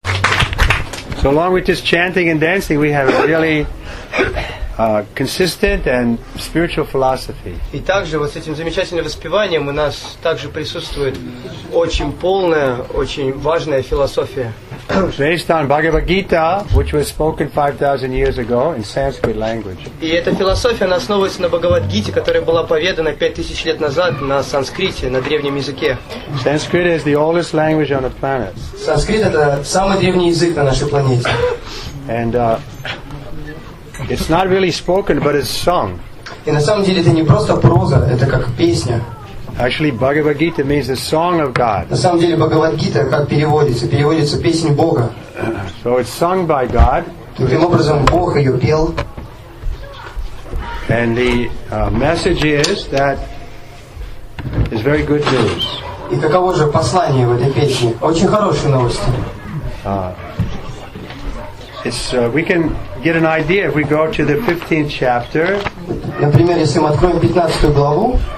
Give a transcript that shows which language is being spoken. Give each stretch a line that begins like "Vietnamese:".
English: So along with just chanting and dancing, we have a really consistent and spiritual philosophy.
Russian: И также вот с этим замечательным воспеванием у нас также присутствует очень полная, очень важная философия.
English: Based on Bhagavad Gita, which was spoken 5,000 years ago in Sanskrit language.
Russian: И эта философия основывается на Бхагавад-гите, которая была поведана 5000 лет назад на санскрите, на древнем языке.
English: Sanskrit is the oldest language on the planet.
Russian: Санскрит это самый древний язык на нашей планете.
English: And it's not really spoken, but it's sung.
Russian: И на самом деле это не просто проза, это как песня.
English: Actually, Bhagavad Gita means the song of God.
Russian: На самом деле Бхагавад Гита как переводится? Переводится песнь Бога.
English: So it's sung by God.
Russian: Таким образом Бог ее пел.
English: And the message is that is very good news.
Russian: И каково же послание в этой песне? Очень хорошие новости.
English: We can get an idea if we go to the 15th chapter.
Russian: Например, если мы откроем 15 главу.